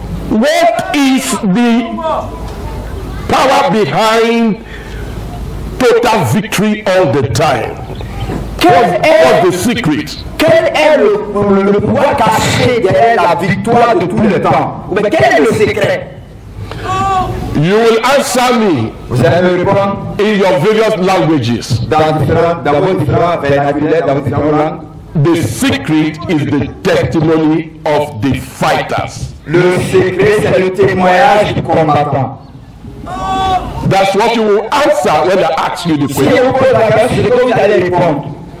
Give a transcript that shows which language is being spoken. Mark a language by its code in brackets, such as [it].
[en] What is the power behind total victory all the time? What's the secret? [fr] Quel est le pouvoir caché derrière la victoire de tout le temps? Mais quel est le secret? [en] You will answer me. [fr] Vous allez me répondre [en] in your various languages. [fr] Dans vos différentes langues. [en] The secret is the testimony of the fighters. [fr] Le secret, c'est le témoignage du combattant. [en] That's what you will answer when they ask you the question. [fr] Si vous posez la question, c'est comme vous allez répondre.